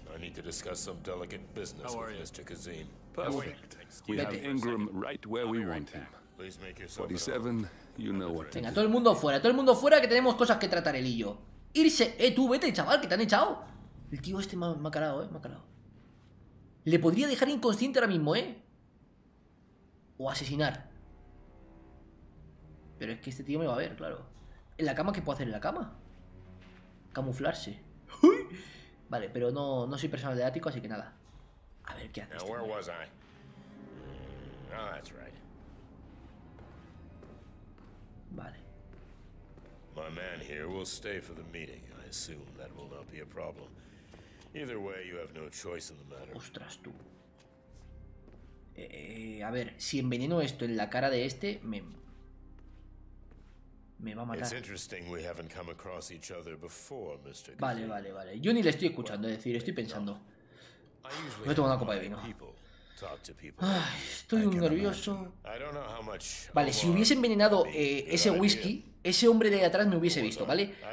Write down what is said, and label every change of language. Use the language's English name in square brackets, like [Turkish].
[English] I need to discuss some delicate business with Mr. Kazim. Perfect. We have Ingram right where we want him. 47, you know what. [Spanish] Venga, todo el mundo fuera, que tenemos cosas que tratar él y yo. Irse, tú vete, chaval, que te han echado. El tío este me ha calado, ¿eh? Le podría dejar inconsciente ahora mismo, ¿eh? O asesinar. Pero es que este tío me va a ver, claro. ¿En la cama? ¿Qué puedo hacer en la cama? camuflarse. Vale, pero no, no soy personal de ático, así que nada. A ver qué haces. [English] Where was I? Oh, that's right. [Spanish] Vale. [English] My man here will stay for the meeting. I assume that will not be a problem. Either way, you have no choice in the matter. [Spanish] Ostras, tú. A ver, si enveneno esto en la cara de este, me va a matar. [English] It's interesting we haven't come across each other before, Mr. [Spanish] Vale, vale, vale. Yo ni le estoy escuchando, es decir, estoy pensando. Me tomo una copa de vino. Ay, estoy un nervioso. Vale, si hubiese envenenado ese whisky, ese hombre de atrás me hubiese visto, ¿vale?